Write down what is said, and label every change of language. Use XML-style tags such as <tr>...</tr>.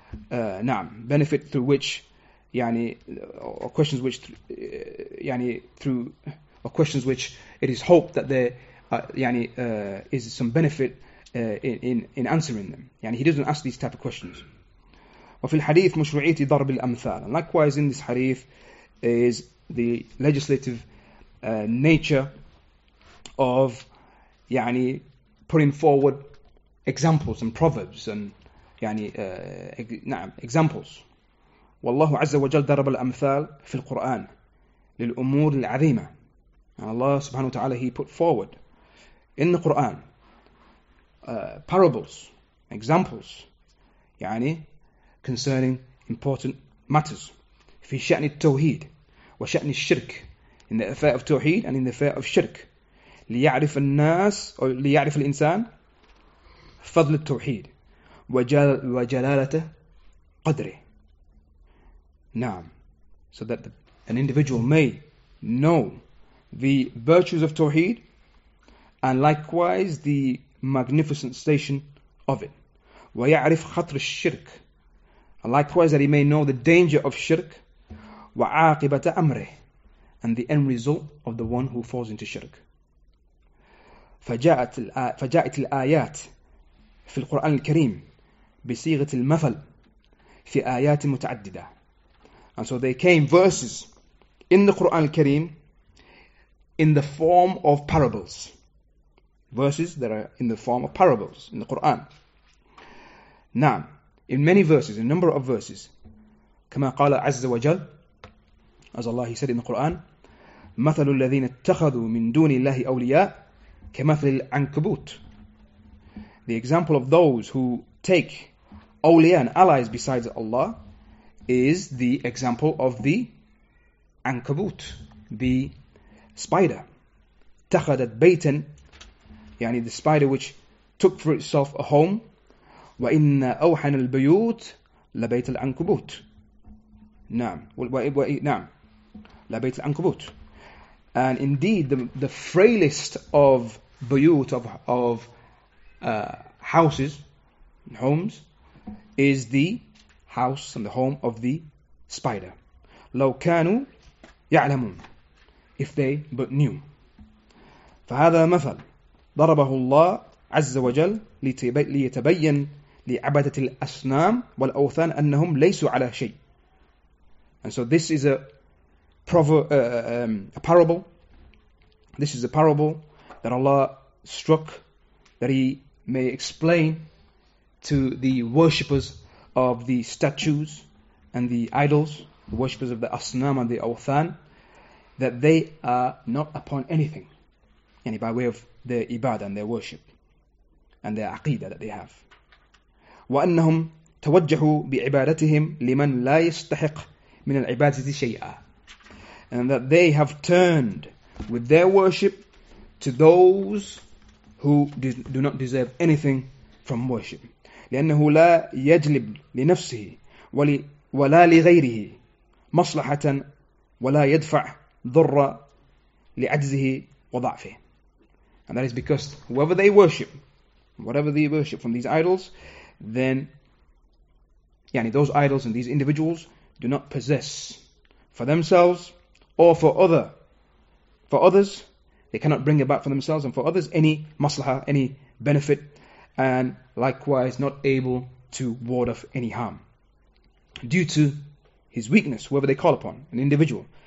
<en>Naam, benefit through which, yani, or questions which, yani, through or questions which it is hoped that there, yani, is some benefit. In answering them. Yani, he doesn't ask these type of questions.</en> <ar>وفي الحديث مشروعية ضرب الأمثال.</ar> <en>And likewise in this hadith is the legislative nature of yani, putting forward examples and proverbs and yani, examples.</en> <ar>والله عز وجل ضرب الأمثال في القرآن للأمور العظيمة.</ar> <en>And Allah subhanahu wa ta'ala, he put forward in the Quran parables, examples, يعني, concerning important matters.</en> <ar>في شأن التوحيد وشأن الشرك.</ar> <en>In the affair of توحيد and in the affair of shirk.</en> <ar>ليعرف الناس أو ليعرف الإنسان فضل التوحيد وجلالته قدره. نعم.</ar> <en>So that an individual may know the virtues of توحيد and likewise the magnificent station of it.</en> <ar>وَيَعْرِفْ خَطْرِ الشِّرْكِ.</ar> <en>Likewise, that he may know the danger of shirk.</en> <ar>وَعَاقِبَةَ أَمْرِهِ.</ar> <en>And the end result of the one who falls into shirk.</en> <ar>فَجَاءَتِ الْآيَاتِ فِي الْقُرْآنِ الْكَرِيمِ بِسِيغَةِ الْمَثَلِ فِي آيَاتِ مُتَعَدِّدَةِ.</ar> <en>And so they came verses in the Qur'an al-Kareem in the form of parables. Verses that are in the form of parables in the Quran. Now, in many verses, in a number of verses,</en> <ar>كما قال عز وجل,</ar> <en>as Allah said in the Quran,</en> <ar>مثل الذين اتخذوا من دون الله أولياء كمثل العنكبوت.</ar> <en>The example of those who take awliya and allies besides Allah is the example of the ankabut, the spider.</en> <ar>اتخذت بيتا,</ar> <en>يعني the spider which took for itself a home.</en> <ar>وإن أوحن البيوت لبيت العنكبوت. نعم. نعم. لبيت العنكبوت.</ar> <en>And indeed, the frailest of buyut, houses, homes, is the house and the home of the spider.</en> <ar>لو كانوا يعلمون,</ar> <en>if they but knew.</en> <ar>فهذا مثل ضربه الله عز وجل ليتبين لعبدة الأصنام والأوثان أنهم ليسوا على شيء.</ar> <en>And so this is a parable. This is a parable that Allah struck, that He may explain to the worshippers of the statues and the idols, the worshippers of the Asnam and the Awthan, that they are not upon anything, yani by way of their ibadah and their worship and their aqidah that they have.</en> <ar>وَأَنَّهُمْ تَوَجَّهُوا بِعِبَادَتِهِمْ لِمَنْ لَا يَسْتَحِقْ مِنَ الْعِبَادَةِ شَيْئًا.</ar> <en>And that they have turned with their worship to those who do not deserve anything from worship.</en> <ar>لأنه لا يجلب لنفسه ولا لغيره مصلحة ولا يدفع ضر لعجزه وضعفه.</ar> <en>And that is because whoever they worship, whatever they worship from these idols, then يعني those idols and these individuals do not possess for themselves or for others, they cannot bring about for themselves and for others any maslaha, any benefit, and likewise not able to ward off any harm due to his weakness, whoever they call upon, an individual.</en>